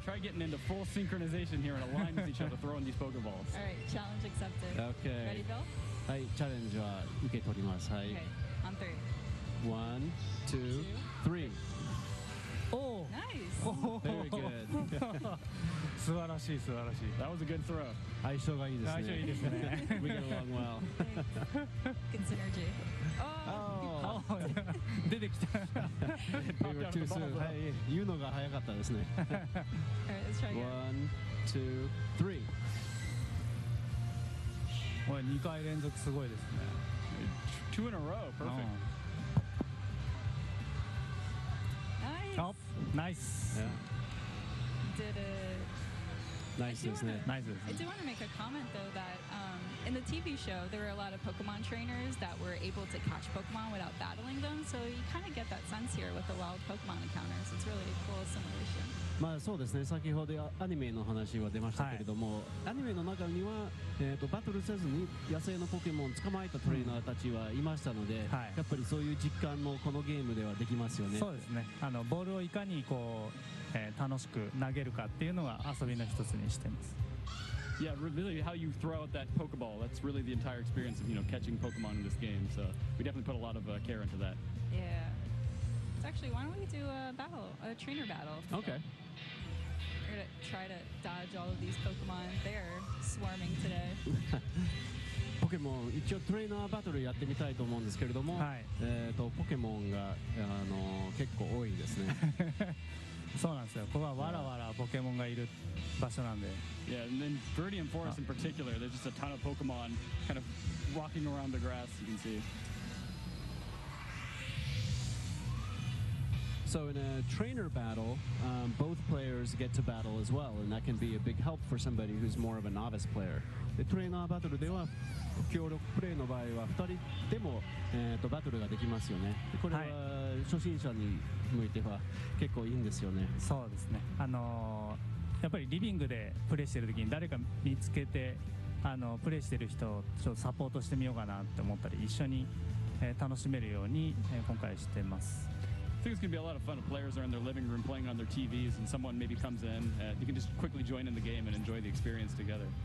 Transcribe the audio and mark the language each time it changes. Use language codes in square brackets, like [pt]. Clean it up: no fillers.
[en] Try getting into full synchronization here and align with each other throwing these Pokeballs. All right, challenge accepted. Okay. Ready, Bill? [ja] はい、チャレンジは受け取ります。はい。 [en] Okay. On three. One, two, three. Oh! Nice! Very good. [ja] 素晴らしい、素晴らしい。 [en] That was a good throw. [ja] 相性がいいですね。相性いいですね。 [en] We get along well. Good synergy. [ja] Oh, 出てきた。 [en] We were too soon. [ja] 言うのが早かったですね。 [en] Alright, let's try again. One, two, three. [ja] おい、2回連続すごいですね。 [en] Two in a row, perfect. Nice! Oh, nice! Yeah. Did it. Nice, isn't it? I do want to make a comment, though, that in the TV show, there were a lot of Pokemon trainers that were able to catch Pokemon without battling them, so you kind of get that sense here with the wild Pokemon encounters. It's really a cool simulation. [ja] まあそうですね、先ほどアニメの話は出ましたけれども、はい、アニメの中には、バトルせずに野生のポケモンを捕まえたトレーナーたちはいましたので、うんはい、やっぱりそういう実感もこのゲームではできますよね。そうですね、あのボールをいかにこう、楽しく投げるかっていうのが遊びの一つにしてます。 [en] Yeah, really how you throw out that Pokeball, that's really the entire experience of, you know, catching Pokemon in this game, so we definitely put a lot of care into that. Yeah, so actually why don't we do a battle, a trainer battle. Okay. We're gonna try to dodge all of these Pokemon. They're swarming today. [ja] Pokemon, 一応トレーナーバトルやってみたいと思うんですけれども、はい、ポケモンが結構多いですね。そうなんですよ。ここはわらわらポケモンがいる場所なんで。 [en] Yeah, and then Viridian Forest in particular, there's just a ton of Pokemon kind of walking around the grass, you can see. So in a trainer battle, both players get to battle as well, and that can be a big help for somebody who's more of a novice player. The trainer battle [ja] では協力プレイの場合は2人でも、バトルができますよね。これは初心者に向いては結構いいんですよね。そうですね。やっぱりリビングでプレイしてる時に誰か見つけて、プレイしてる人をちょっとサポートしてみようかなって思ったり、一緒に、楽しめるように、今回してます。 [en] I think it's going to be a lot of fun if players are in their living room playing on their TVs and someone maybe comes in. You can just quickly join in the game and enjoy the experience together.